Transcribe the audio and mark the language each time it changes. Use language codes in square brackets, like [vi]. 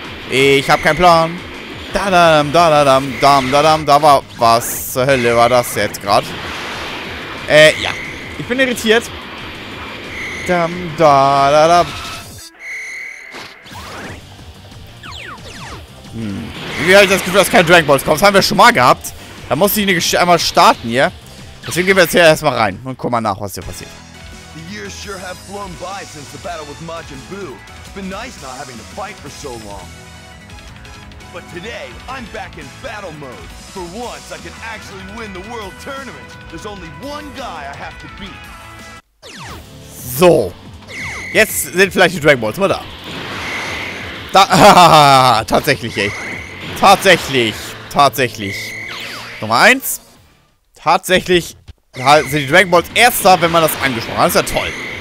[de] Ich hab keinen Plan. Da da dam da da dam da da dam da war was zur Hölle war das jetzt gerade? Ja. Ich bin irritiert. Dam da da da. Hm. Wie halt das Gefühl, dass kein Dragon Balls kommt? Das haben wir schon mal gehabt. Da muss ich eine Geschichte einmal starten, ja? Deswegen gehen wir jetzt hier erstmal rein und gucken mal nach, was hier passiert. [en] The years sure have flown by since the battle with Majin Buu. It's been nice not having to fight for so long. But today, I'm back in battle mode. For once, I can actually win the world tournament. There's only one guy I have to beat. [de] So. Jetzt sind vielleicht die Dragon Balls mal da. Da. Tatsächlich, ey. Tatsächlich. Tatsächlich. Nummer 1. Tatsächlich sind die Dragon Balls erst da, wenn man das angesprochen hat. Das ist ja toll.